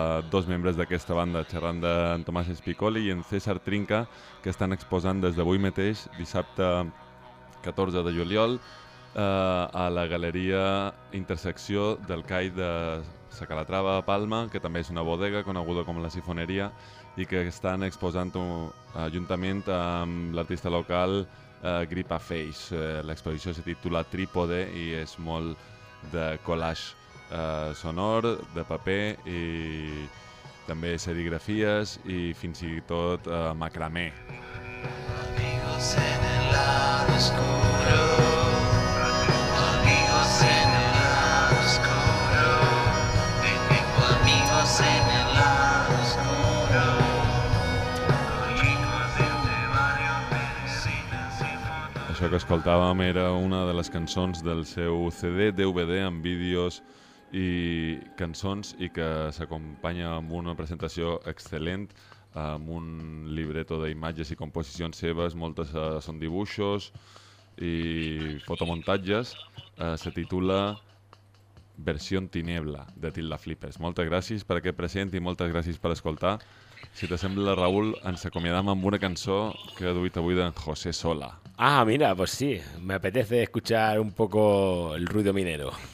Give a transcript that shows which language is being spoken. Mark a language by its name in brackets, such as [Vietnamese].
[Catalan] dos membres d'aquesta banda, xerrant d'en Tomàs Espicoli i en César Trinca, que estan exposant des d'avui mateix, dissabte 14 de juliol, a la galeria Intersecció del CAI de Sa Calatrava a Palma, que també és una bodega coneguda com la Sifoneria, i que estan exposant juntament amb l'artista local Gripa Face. L'exposició se titula Trípode i és molt de collage sonor, de paper i també serigrafies i fins i tot macramé. [Spanish] Amigos en el lado oscuro. [Catalan] Això que escoltàvem era una de les cançons del seu CD, DVD, amb vídeos i cançons, i que s'acompanya amb una presentació excel·lent, amb un libreto d'imatges i composicions seves, moltes són dibuixos i fotomuntatges. Se titula Versió Tiniebla, de Tilda Flippers. Moltes gràcies per aquest present i moltes gràcies per escoltar. Si t'assembla, Raül, ens acomiadam amb una cançó que ha duit avui d'en José Sola. [Spanish] Ah, mira, pues sí, me apetece escuchar un poco el ruido minero.